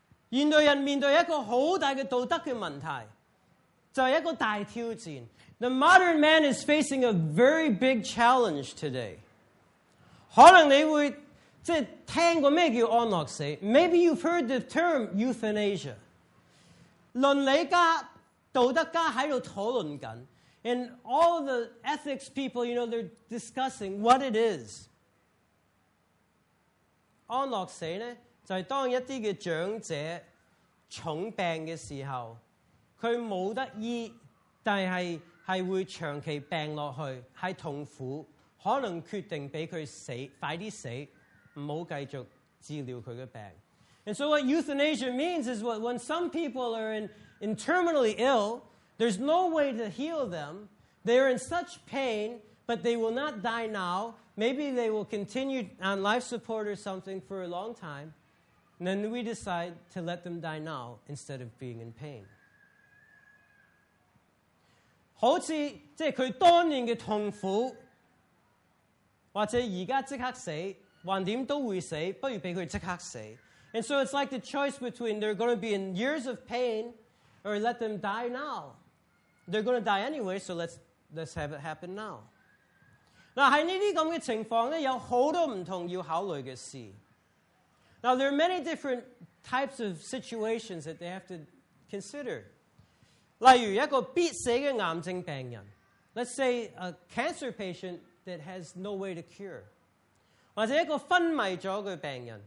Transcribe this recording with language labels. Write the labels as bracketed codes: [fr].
[yue] 现代人面对一个好大嘅道德嘅问题，就是一个大挑战。 [en] The modern man is facing a very big challenge today. [yue] 可能你会即系听过咩叫安乐死 ？ [en] Maybe you've heard the term euthanasia. [yue] 伦理家、道德家喺度讨论紧。 [en] And all the ethics people, you know, they're discussing what it is. [yue] 安乐死呢，就是当一啲嘅长者重病嘅时候，佢冇得医，但系系会长期病落去，系痛苦，可能决定俾佢死，快啲死，唔好继续治疗佢嘅病。 [en] And so what euthanasia means is when some people are in terminally ill. There's no way to heal them. They're in such pain, but they will not die now. Maybe they will continue on life support or something for a long time. And then we decide to let them die now instead of being in pain. [yue] 好似即係佢當年嘅痛苦，或者而家即刻死，橫掂都會死，不如俾佢即刻死。 [en] And so it's like the choice between they're going to be in years of pain or let them die now. They're going to die anyway, so let's have it happen now. [yue] 嗱喺呢啲咁嘅情况咧，有好多唔同要考虑嘅事。 [en] Now there are many different types of situations that they have to consider. [yue] 例如一个必死嘅癌症病人 [en] ，let's say a cancer patient that has no way to cure， [yue] 或者一个昏迷咗嘅病人